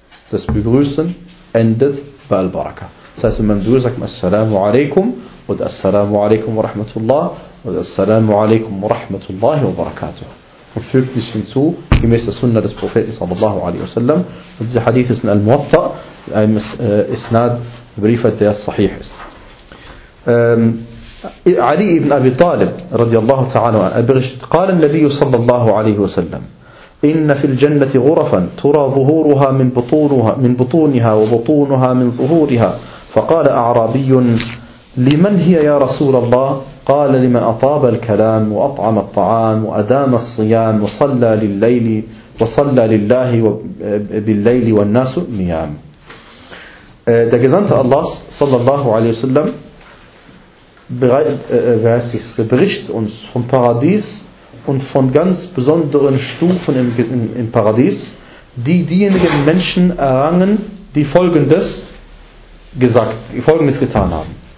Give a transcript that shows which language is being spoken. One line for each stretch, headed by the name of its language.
German: Das Begrüßen endet bei Al-Baraka. Das heißt, wenn man du sagt, Assalamu alaikum und Assalamu alaikum wa rahmatullah und Assalamu alaikum wa rahmatullahi wa barakatuh. Und fügt dies hinzu, gemäß der Sunna des Propheten sallallahu alaihi wa sallam. Und dieser Hadith ist in Al-Muwatta, in einem Isnad, überliefert, der sahih ist.
Arabic: Ali ibn Abi Talib, radiallahu ta'ala,
German: er berichtet,
Arabic: قال النبي صلى الله عليه وسلم, إن في الجنة غرفا ترى ظهورها من بطونها وبطونها من ظهورها. فقال أعرابي لمن هي يا رسول الله؟ قال لمن أطاب الكلام وأطعم الطعام وأدام الصيام وصلى لليل وصلى لله بالليل والناس نيام.
German: Der Gesandte Allahs sallallahu alaihi wasallam berichtet uns vom Paradies und von ganz besonderen Stufen im Paradies, die diejenigen Menschen errangen, die Folgendes getan haben.